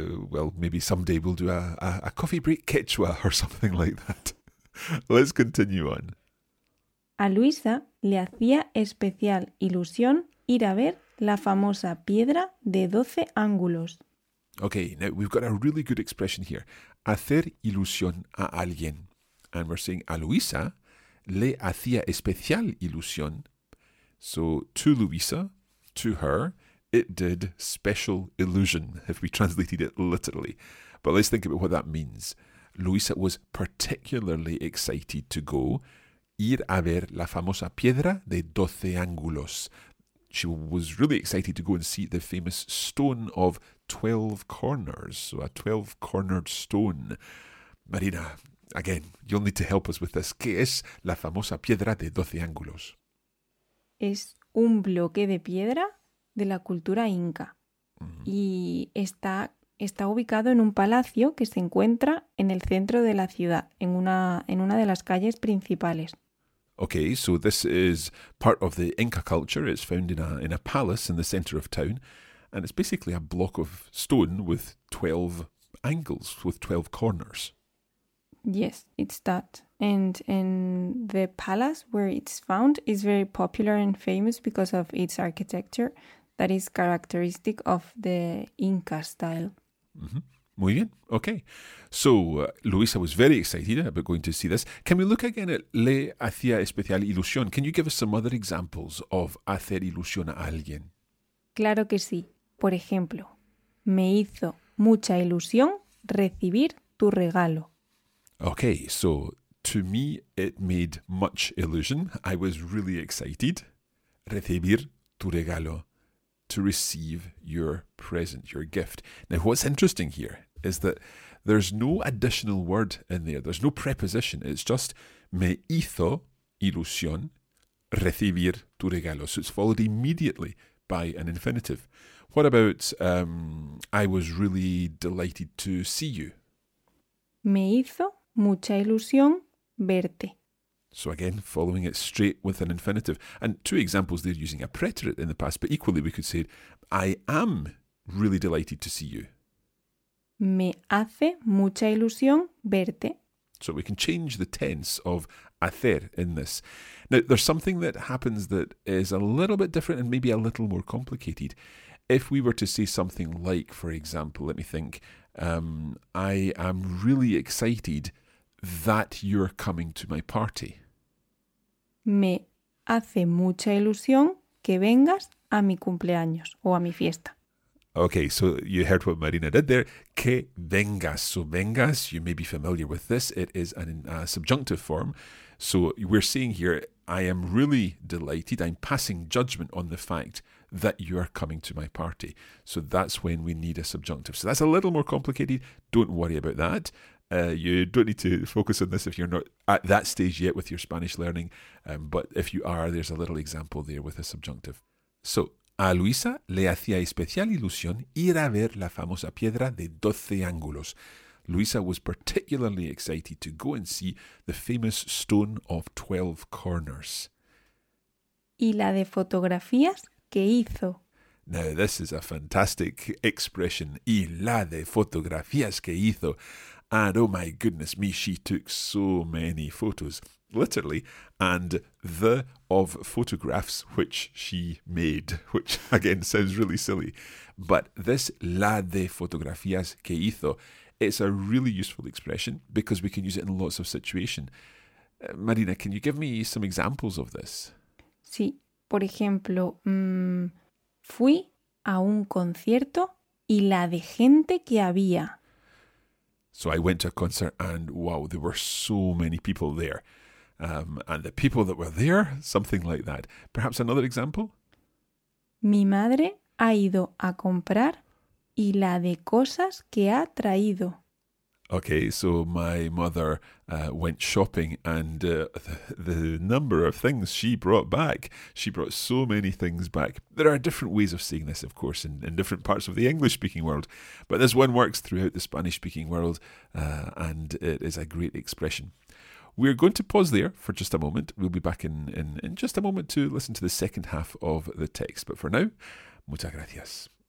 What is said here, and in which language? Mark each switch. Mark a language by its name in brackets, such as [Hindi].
[English] Well, maybe someday we'll do a coffee break Quechua or something like that. Let's continue on. [Spanish] A Luisa le hacía especial ilusión ir a ver la famosa piedra de 12 ángulos. [English] Okay, now we've got a really good expression here. [Spanish] Hacer ilusión a alguien. [English] And we're saying [Spanish] a Luisa le hacía especial ilusión. [English] So to Luisa, to her, it did special illusion, if we translated it literally. But let's think about what that means. Luisa was particularly excited to go [Spanish] ir a ver la famosa piedra de 12 ángulos. [English] She was really excited to go and see the famous stone of 12 corners, so a 12-cornered stone. Marina, again, you'll need to help us with this. [Spanish] ¿Qué es la famosa piedra de 12 ángulos? Es un bloque de piedra de la cultura inca. Y está ubicado en un palacio que se encuentra en el centro de la ciudad, en una de las calles principales. [English] Okay, so this is part of the Inca culture. It's found in a palace in the center of town, and it's basically a block of stone with 12 angles, with 12 corners. Yes, it's that. And in the palace where it's found is very popular and famous because of its architecture. That is characteristic of the Inca style. [Spanish] Mm-hmm. Muy bien. Okay. [English] So, Luisa was very excited about going to see this. Can we look again at [Spanish] le hacía especial ilusión? [English] Can you give us some other examples of [Spanish] hacer ilusión a alguien? Claro que sí. Por ejemplo, me hizo mucha ilusión recibir tu regalo. [English] Okay. So, to me, it made much illusion. I was really excited. [Spanish] Recibir tu regalo. [English] To receive your present, your gift. Now, what's interesting here is that there's no additional word in there. There's no preposition. It's just [Spanish] me hizo ilusión recibir tu regalo. [English] So it's followed immediately by an infinitive. What about I was really delighted to see you? [Spanish] Me hizo mucha ilusión verte. [English] So again, following it straight with an infinitive. And two examples there using a preterite in the past, but equally we could say, I am really delighted to see you. [Spanish] Me hace mucha ilusión verte. [English] So we can change the tense of hacer in this. Now, there's something that happens that is a little bit different and maybe a little more complicated. If we were to say something like, for example, let me think, I am really excited that you're coming to my party. [Spanish] Me hace mucha ilusión que vengas a mi cumpleaños o a mi fiesta. [English] Okay, so you heard what Marina did there. [Spanish] Que vengas. [English] So vengas, you may be familiar with this. It is a subjunctive form. So we're seeing here, I am really delighted. I'm passing judgment on the fact that you are coming to my party. So that's when we need a subjunctive. So that's a little more complicated. Don't worry about that. You don't need to focus on this if you're not at that stage yet with your Spanish learning. But if you are, there's a little example there with a subjunctive. [Spanish] So, a Luisa le hacía especial ilusión ir a ver la famosa piedra de 12 ángulos. [English] Luisa was particularly excited to go and see the famous stone of 12 corners. [Spanish] Y la de fotografías que hizo. [English] Now, this is a fantastic expression. [Spanish] Y la de fotografías que hizo. [English] And oh my goodness me, she took so many photos, literally, and the of photographs which she made, which again sounds really silly. But this [Spanish] la de fotografías que hizo, [English] it's a really useful expression because we can use it in lots of situations. Marina, can you give me some examples of this? [Spanish] Sí, por ejemplo, fui a un concierto y la de gente que había. [English] So I went to a concert and wow, there were so many people there. And the people that were there, something like that. Perhaps another example? [Spanish] Mi madre ha ido a comprar y la de cosas que ha traído. [English] Okay, so my mother went shopping and the number of things she brought back. She brought so many things back. There are different ways of saying this, of course, in different parts of the English-speaking world. But this one works throughout the Spanish-speaking world and it is a great expression. We're going to pause there for just a moment. We'll be back in just a moment to listen to the second half of the text. But for now, [Spanish] muchas gracias.